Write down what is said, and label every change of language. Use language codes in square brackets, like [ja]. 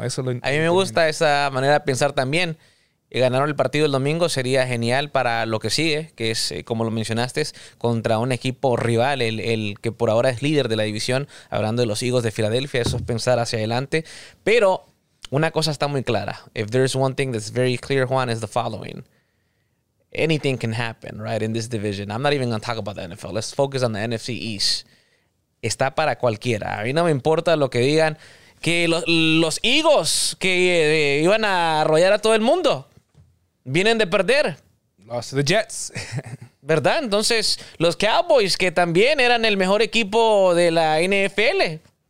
[es] A mí me gusta esa manera de pensar también. Ganaron el partido el domingo, sería genial para lo que sigue, que es, como lo mencionaste, contra un equipo rival, el que por ahora es líder de la división, hablando de los Eagles de Filadelfia, eso es pensar hacia adelante. Pero una cosa está muy clara. [en] If there's one thing that's very clear, Juan, is the following. Anything can happen, right, in this division. I'm not even going to talk about the NFL. Let's focus on the NFC East. Está para cualquiera. [es] A mí no me importa lo que digan. Que los Eagles que iban a arrollar a todo el mundo vienen de perder. [en] Lost to the Jets. [es] ¿Verdad? Entonces, los Cowboys, que también eran el mejor equipo de la NFL.